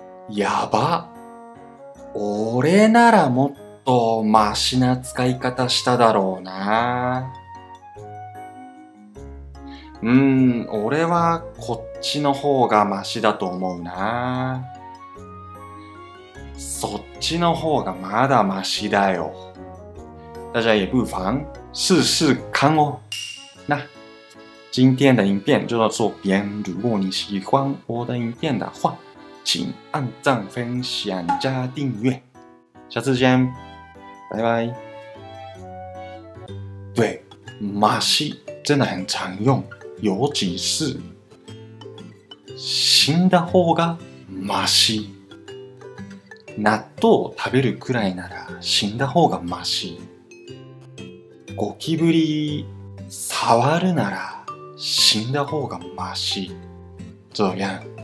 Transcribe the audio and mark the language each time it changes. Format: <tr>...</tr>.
<ja>やば、俺ならもっとマシな使い方しただろうな。俺はこっちの方がマシだと思うな。そっちの方がまだマシだよ。</ja> <zh>大家也不妨试试看哦。那今天的影片就到这边。如果你喜欢我的影片的话，请按赞、分享、加订阅。下次见，拜拜。对，马戏真的很常用，尤其是</zh> <ja>死んだ方がマシ。納豆を食べるくらいなら死んだ方がマシ。ゴキブリ触るなら死んだ方がマシ。</ja> <zh>这样。</zh>